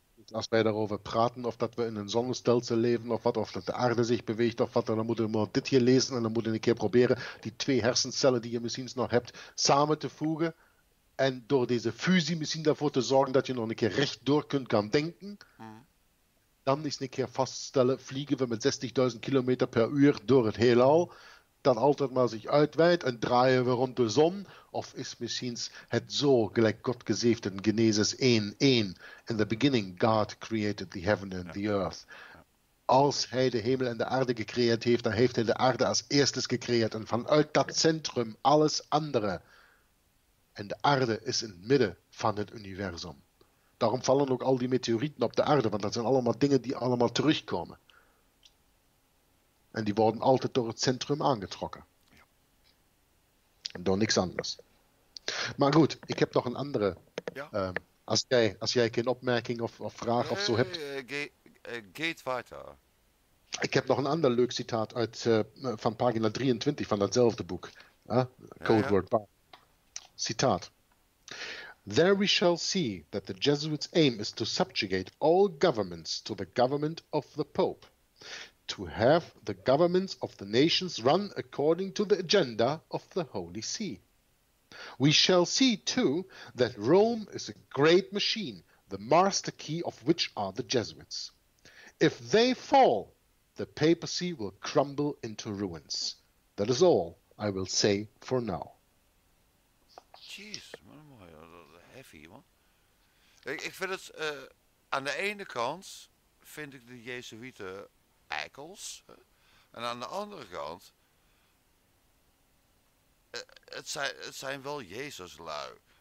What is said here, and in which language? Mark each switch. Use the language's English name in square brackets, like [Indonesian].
[Dutch] Als wij daarover praten, of dat we in een zonnestelsel leven, of wat, of dat de aarde zich beweegt, of wat, dan moeten we maar dit hier lezen en dan moeten we een keer proberen die twee hersencellen die je misschien nog hebt, samen te voegen en door deze fusie misschien daarvoor te zorgen dat je nog een keer rechtdoor kunt gaan denken. Dan eens een keer vaststellen, vliegen we met 60.000 kilometer per uur door het heelal, dat altijd maar zich uitweidt en draaien we rond de zon. Of is misschien het zo, gelijk God gezeefd in Genesis 1:1. [English] In the beginning God created the heaven and the earth. [Dutch] Als hij de hemel en de aarde gecreëerd heeft, dan heeft hij de aarde als eerstes gecreëerd. En vanuit dat centrum alles andere. En de aarde is in het midden van het universum. Daarom vallen ook al die meteorieten op de aarde, want dat zijn allemaal dingen die allemaal terugkomen. En die worden altijd door het centrum aangetrokken. Door niks anders. Maar goed, ik heb nog een andere. Ja? Als jij geen opmerking of vraag of zo hebt. [German] Geht weiter. [Dutch] Ik heb nog een ander leuk citaat van pagina 23 van datzelfde boek. Code Word. Citaat. [English] There we shall see that the Jesuits' aim is to subjugate all governments to the government of the Pope. To have the governments of the nations run according to the agenda of the Holy See. We shall see, too, that Rome is a great machine, the master key of which are the Jesuits. If they fall, the papacy will crumble into ruins. That is all I will say for now. [Dutch] Jeez, wat een mooie, wat een heavy, man. Ik vind het, aan de ene kant vind ik de Jezuïeten eikels. En aan de andere kant, het zijn wel Jezuslui.